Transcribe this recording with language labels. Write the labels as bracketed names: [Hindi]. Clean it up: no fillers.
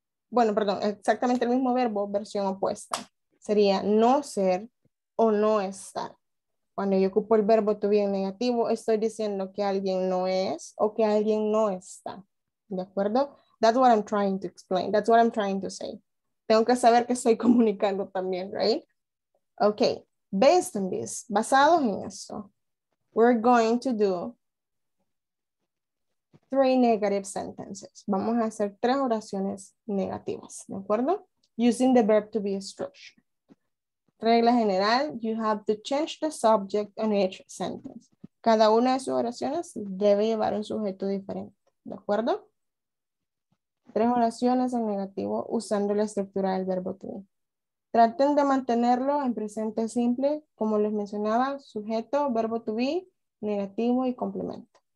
[Spanish] Bueno, perdón, exactamente el mismo verbo, versión opuesta. Sería no ser o no estar. Cuando yo ocupo el verbo to be en negativo, estoy diciendo que alguien no es o que alguien no está. ¿De acuerdo? [English] That's what I'm trying to explain. That's what I'm trying to say. [Spanish] Tengo que saber que estoy comunicando también, [English] right? Okay. Based on this, [Spanish] basados en esto, [English] we're going to do three negative sentences. [Spanish] Vamos a hacer tres oraciones negativas, ¿de acuerdo? [English] Using the verb to be structure. [Spanish] Regla general, [English] you have to change the subject on each sentence. [Spanish] Cada una de sus oraciones debe llevar un sujeto diferente, ¿de acuerdo? tres oraciones en negativo usando la estructura del verbo to be. Traten de mantenerlo en presente simple, como les mencionaba, sujeto, verbo to be, negativo y complemento.